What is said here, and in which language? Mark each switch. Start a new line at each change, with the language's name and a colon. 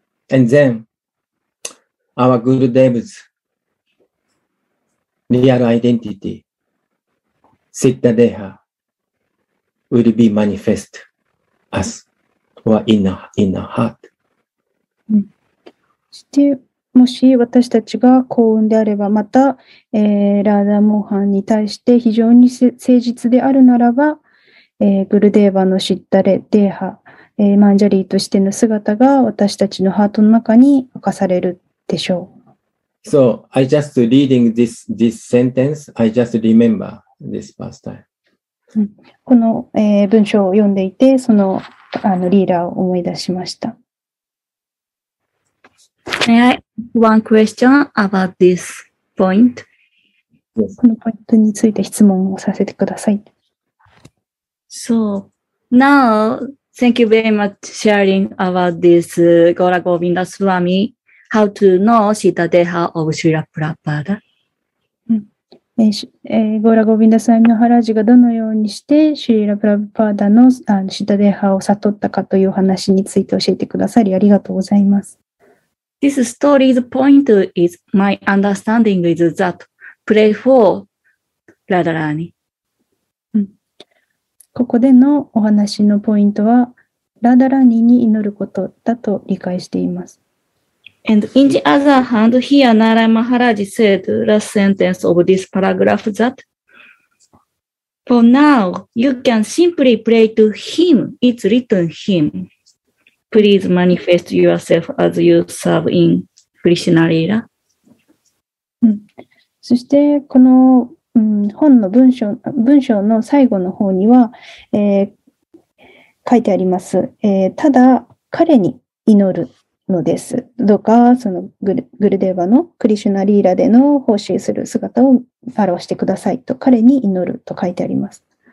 English: And then our Gurudev's real identity, Siddha Deha, will be manifest as or in our heart.
Japanese: そして、もし私たちが幸運であれば、また、ラーダモハンに対して非常に誠実であるならば、グルデーバのシッダレデーハ、マンジャリーとしての姿が私たちのハートの中に明かされるでしょう。
English: So, I just reading this sentence, I just remember this past time.
Japanese: この、文章を読んでいて、その、リーラーを思い出しました。
English: May I ask one question about this point?
Japanese: このポイントについて質問をさせてください。
English: So, now, thank you very much sharing about this Gaura Govinda Swami, how to know Sita Deha of Srila Prabhupada.
Japanese: ゴーラ・ゴビンダ・スワミ・マハラージがどのようにしてシリラ・プラブパーダのシタデーハを悟ったかという話について教えてくださりありがとうございます。
English: This story's point is my understanding is that pray for Radharani、
Japanese: ここでのお話のポイントはラダラニに祈ることだと理解しています。
English: And in the other hand, here Narai Maharaj said last sentence of this paragraph that for now, you can simply pray to him, it's written him. Please manifest yourself as you serve in Krishna Lila.、
Japanese: そしてこの、本の文章の最後の方には、書いてあります、ただ彼に祈るのです。どうかそのグルデーバのクリシュナリーラでの奉仕する姿を表してくださいと彼に祈ると書いてあります。